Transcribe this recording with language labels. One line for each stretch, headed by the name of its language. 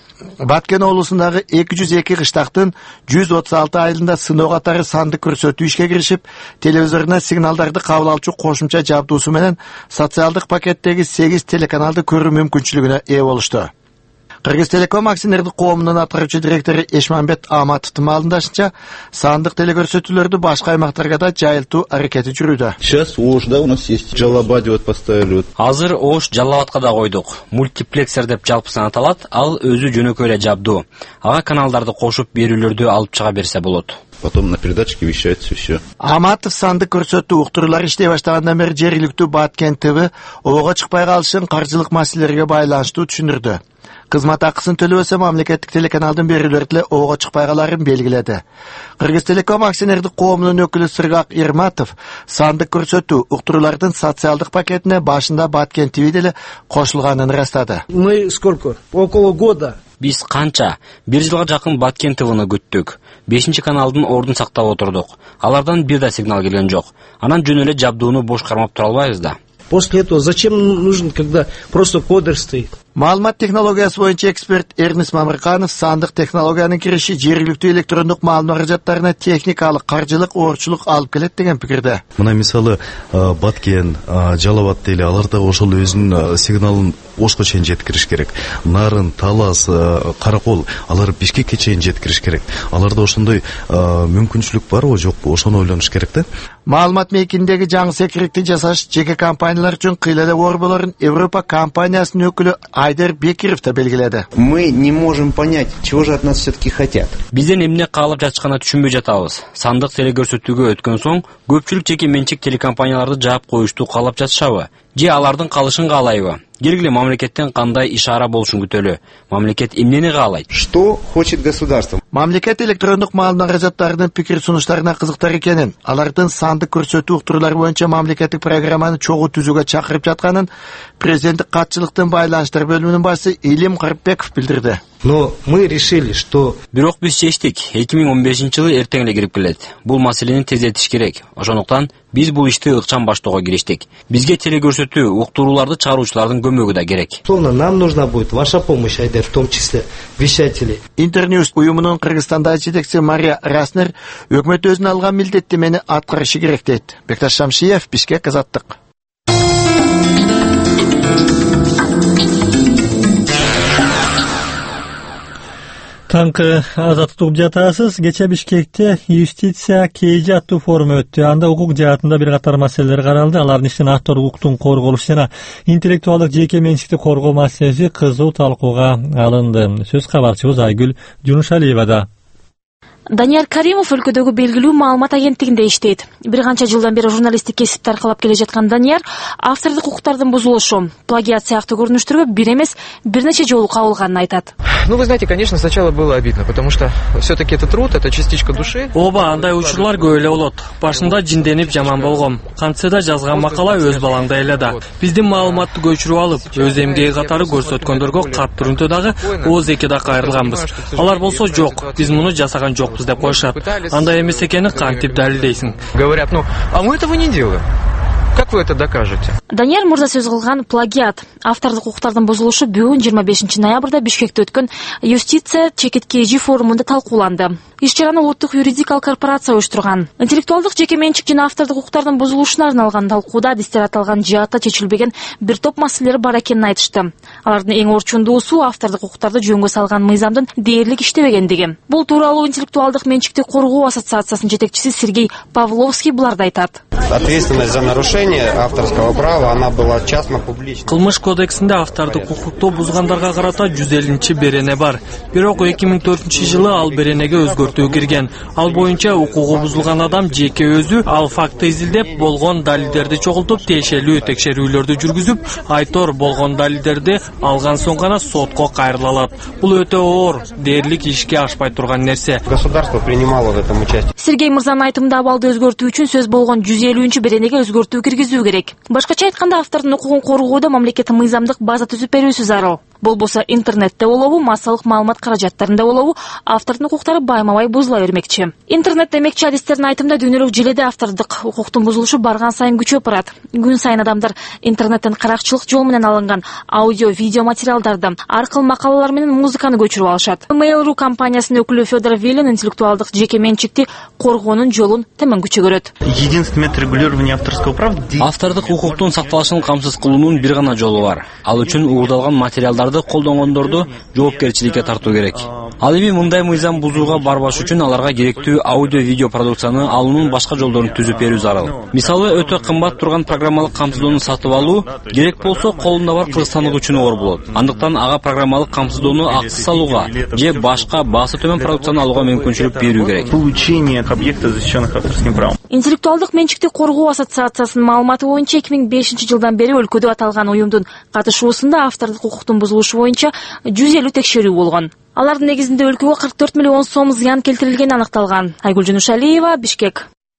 Kyrgyz: Баткен облусундагы 202 кыштактын 136 айылында сыноо катары сандык көрсөтүү ишке киришип, телевизордо сигналдарды кабыл алчу кошумча жабдуусу менен социалдык пакеттеги 8 телеканалды көрүү мүмкүнчүлүгүнө ээ болушту. Кыргыз Телеком акционердик коомунун аткаруучу директору Эшмамбет Аматовдун маалымдашынча, сандык телекөрсөтүүлөрдү башка аймактарга да жайылтуу аракети жүрүүдө.
Russian: Сейчас ОШ-да у нас есть Жалаба деп поставили.
Kyrgyz: Азыр ОШ Жалабатка да койдук. Мультиплексер деп жалпысын аталат, ал өзү жөнөкөй эле жабдуу. Ага каналдарды кошуп берүүлөрдү алып чыга берсе болот.
Russian: Потом на передатчике вещается все.
Kyrgyz: Аматов сандык көрсөтүү уктурулары иштей баштагандан бери жергиликтүү Баткен ТВ ого чыкпай калышын каржылык маселелерге байланыштуу түшүндүрдү. Кызмат акысын төлөбөсө мамлекеттик телеканалдын берүүлөрү деле ого чыкпай калаарын белгиледи. Кыргыз Телеком акционердик коомунун өкүлү Сыргак Ирматов сандык көрсөтүү уктуруулардын социалдык пакетине башында Баткен ТВ деле кошулганын ырастады.
Russian: Мы сколько? Около года.
Kyrgyz: Биз канча? Бир жылга жакын Баткен ТВ'ны күттүк. 5-чи каналдын ордун сактап отурдук. Алардан бир да сигнал келген жок. Анан жөн эле жабдууну бош кармап тура албайбыз да.
Russian: После этого зачем нужен, когда просто кодер стоит?
Kyrgyz: Маалымат технологиясы боюнча эксперт Эрнис Мамырканов сандык технологиянын кириши жергиликтүү электрондук маалымат каражаттарына техникалык, каржылык оорчулук алып келет деген пикирде. Мына мисалы Баткен, Жалабат деле алар да ошол өзүнүн сигналын Ошко чейин жеткириш керек. Нарын, Талас, Каракол алар Бишкекке чейин жеткириш керек. Аларда ошондой мүмкүнчүлүк барбы, жокпу, ошону ойлонуш керек да. Маалымат мейкиндеги жаңы секиректи жасаш жеке компаниялар үчүн кыйла эле оор болорун Европа компаниясынын өкүлү Айдер Бекиров да белгиледи.
Russian: Мы не можем понять, чего же от нас все-таки хотят.
Kyrgyz: Бизден эмне каалап жатышканы түшүнбөй жатабыз. Сандык телекөрсөтүүгө өткөн соң, көпчүлүк жеке менчик телекомпанияларды жаап коюшту каалап жатышабы? Же алардын калышын каалайбы? Белгиле мамлекеттен кандай ишара болушун күтөлү. Мамлекет эмнени каалайт?
Russian: Что хочет государство?
Kyrgyz: Мамлекет электрондук маалымат каражаттарынын пикир сунуштарына кызыктар экенин, алардын сандык көрсөтүү уктуруулары боюнча мамлекеттик программаны чогуу түзүүгө чакырып жатканын президенттик катчылыктын байланыштар бөлүмүнүн башы Илим Карпбеков билдирди.
Russian: Но мы решили, что...
Kyrgyz: Бирок биз чечтик, 2015-жылы эртең эле кирип келет. Бул маселени тездетиш керек. Ошондуктан биз бул ишти ыкчам баштоого кириштик. Бизге телекөрсөтүү, уктурууларды чыгаруучулардын көмөгү да керек.
Russian: Словно нам нужна будет ваша помощь, Айдер, в том числе вещатели.
Kyrgyz: Интерньюз уюмунун Кыргызстандагы жетекчиси Мария Раснер өкмөт өзүнө алган милдеттемени аткарышы керек дейт. Бекташ Шамшиев, Бишкек, Азаттык. Таңкы азаттык жатасыз. Кече Бишкекте юстиция кейжи аттуу форум өттү. Анда укук жаатында бир катар маселелер каралды. Алардын ичинен автор укуктун корголушу жана интеллектуалдык жеке менчикти коргоо маселеси кызуу талкууга алынды. Сөз кабарчыбыз Айгүл Жунушалиевада. Данияр Каримов өлкөдөгү белгилүү маалымат агенттигинде иштейт. Бир канча жылдан бери журналисттик кесипти аркалап келе жаткан Данияр автордук укуктардын бузулушу, плагиат сыяктуу көрүнүштөргө бир эмес бир нече жолу кабылганын айтат.
Russian: Ну вы знаете, конечно, сначала было обидно, потому что все-таки это труд, это частичка души.
Kyrgyz: Ооба, андай учурлар көп эле болот. Башында жинденип жаман болгом. Кантсада жазган макала өз балаңдай эле да. Биздин маалыматты көчүрүп алып, өз эмгеги катары көрсөткөндөргө каттырынты дагы ооз эки да кайрылганбыз. Алар болсо жок, биз муну жасаган жок. Пусть деп койшат. Андай эмес экени кантип далилдейсиң?
Russian: Говорят, ну, а мы этого не делаем. Как вы это докажете?
Kyrgyz: Данияр мырза сөз кылган плагиат. Автордук укуктардын бузулушу бүгүн 25 ноябрда Бишкекте өткөн юстиция чекиткежи форумунда талкууланды. Иш-чараны улуттук юридикалык корпорация уюштурган. Интеллектуалдык жеке менчик жана автордук укуктардын бузулушуна арналган талкууда адистер аталган жаатта чечилбеген бир топ маселелер бар экенин айтышты. Алардын эң орчундуусу автордук укуктарды жөнгө салган мыйзамдын дээрлик иштебегендиги. Бул тууралуу интеллектуалдык менчикти коргоо ассоциациясынын жетекчиси Сергей Павловский буларды айтат.
Russian: Ответственность за нарушение нарушение авторского права, она была частно-публичной.
Kyrgyz: Кылмыш кодексинде авторду укукту бузгандарга карата 150-чи берене бар. Бирок 2004-чи жылы ал беренеге өзгөртүү кирген. Ал боюнча укугу бузулган адам жеке өзү ал факты изилдеп, болгон далилдерди чогултуп, тиешелүү текшерүүлөрдү жүргүзүп, айтор болгон далилдерди алган соң гана сотко кайрыла алат. Бул өтө оор, дээрлик ишке ашпай турган нерсе.
Russian: Государство принимало в этом участие.
Kyrgyz: Сергей Мырзанын айтымында абалды өзгөртүү үчүн сөз болгон 150-чи беренеге өзгөртүү киргизүү керек. Башкача айтканда, автордун укугун коргоодо мамлекеттин мыйзамдык база түзүп берүүсү зарыл. Болбосо интернетте болобу, массалык маалымат каражаттарында болобу, автордун укуктары байма-бай бузула бермекчи. Интернет демекчи адистердин айтымында дүйнөлүк желеде автордук укуктун бузулушу барган сайын күчөп барат. Күн сайын адамдар интернеттен каракчылык жол менен алынган аудио-видео материалдарды, ар кыл макалалар менен музыканы көчүрүп алышат. Mail.ru компаниясынын өкүлү Федор Вилин интеллектуалдык жеке менчикти коргоонун жолун төмөн күчө көрөт.
Russian: Единственное регулирование авторского права.
Kyrgyz: Автордук укуктун сакталышын камсыз кылуунун бир гана жолу бар. Ал үчүн уурдалган материал алдарды колдонгондорду жоопкерчиликке тартуу керек. Ал эми мындай мыйзам бузууга барбаш үчүн аларга керектүү аудио-видео продукцияны алуунун башка жолдорун түзүп берүү зарыл. Мисалы, өтө кымбат турган программалык камсыздоону сатып алуу керек болсо, колунда бар кыргызстандык үчүн оор болот. Андыктан ага программалык камсыздоону аксыз алууга же башка баасы төмөн продукцияны алууга мүмкүнчүлүк берүү керек.
Russian: Получение объекта защищённых авторским правом.
Kyrgyz: Интеллектуалдык менчикти коргоо ассоциациясынын маалыматы боюнча 2005 жылдан бери өлкөдө аталган уюмдун катышуусунда автордук укуктун бузулушу боюнча 150 текшерүү болгон. Алардын негизинде өлкөгө 44 миллион сом зыян келтирилгени аныкталган. Айгүл Жунушалиева, Бишкек.